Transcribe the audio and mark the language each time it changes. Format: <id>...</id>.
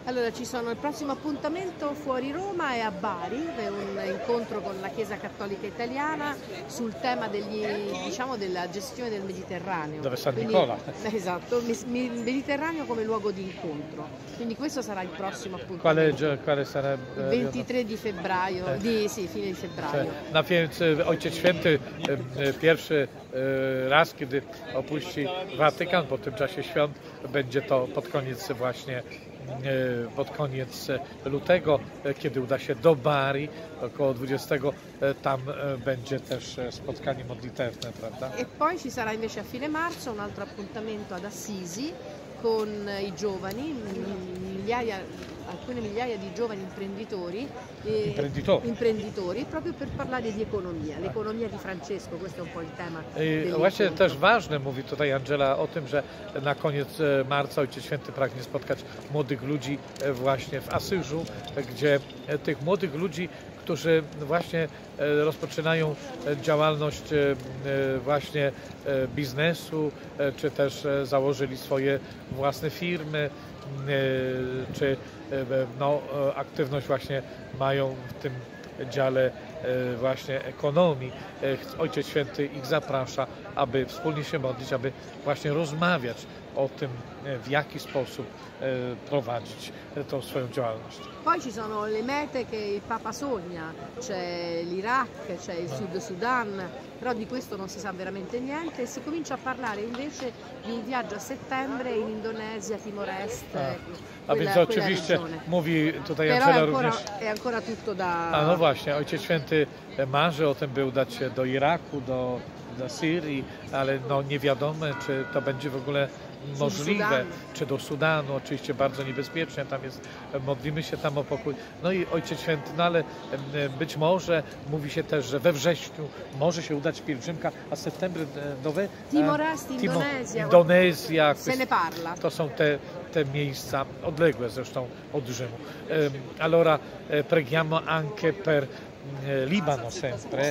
<it>Allora, ci sono il prossimo appuntamento fuori Roma e a Bari, un incontro con la Chiesa Cattolica Italiana sul tema della gestione del Mediterraneo. Dove San Nicola. Quindi, esatto, Mediterraneo come luogo di incontro. Quindi questo sarà il prossimo appuntamento. Quale sarebbe? Il 23 di febbraio, fine di febbraio. Cioè,</it> <pl>na więc Ojciec Święty pierwszy raz, kiedy opuści Watykan, po tym czasie świąt, będzie to pod koniec lutego, kiedy uda się do Bari, około 20, tam będzie też spotkanie modlitewne, prawda?</pl> <it>E poi ci sarà invece a fine marzo un altro appuntamento ad Assisi con i giovani, alcune migliaia di giovani imprenditori proprio per parlare di economia, l'economia di Francesco, questo è un po' il tema.</it> <pl>Właśnie też ważne mówi tutaj Angela o tym, że na koniec marca Ojciec Święty pragnie spotkać młodych ludzi właśnie w Asyżu, gdzie tych młodych ludzi, którzy właśnie rozpoczynają działalność właśnie biznesu, czy też założyli swoje własne firmy, czy aktywność właśnie mają w tym dziale właśnie ekonomii. Ojciec Święty ich zaprasza, aby wspólnie się modlić, aby właśnie rozmawiać o tym, w jaki sposób prowadzić tą swoją działalność.</pl> <it>Poi ci sono le mete che il Papa sogna, c'è l'Iraq, c'è il Sud Sudan, però di questo non si sa veramente niente. Si comincia a parlare invece di un viaggio a settembre in Indonesia, Timor Est.</it> <pl>A więc oczywiście mówi tutaj Angela również.</pl> <it>È ancora tutto da.</it> <pl>A no właśnie, Ojciec Święty marzy o tym, by udać się do Iraku, do Syrii, ale no nie wiadomo, czy to będzie w ogóle możliwe, czy do Sudanu, oczywiście bardzo niebezpiecznie, tam jest, modlimy się tam o pokój. No i Ojciec Święty, no ale być może mówi się też, że we wrześniu może się udać pielgrzymka, a septembry nowe? Timor-Est, Indonezja. Indonezja.</pl> <it>Se ne parla.</it> <pl>To są te miejsca odległe zresztą od Rzymu.</pl> <it>Allora, preghiamo anche per Libano sempre,</it>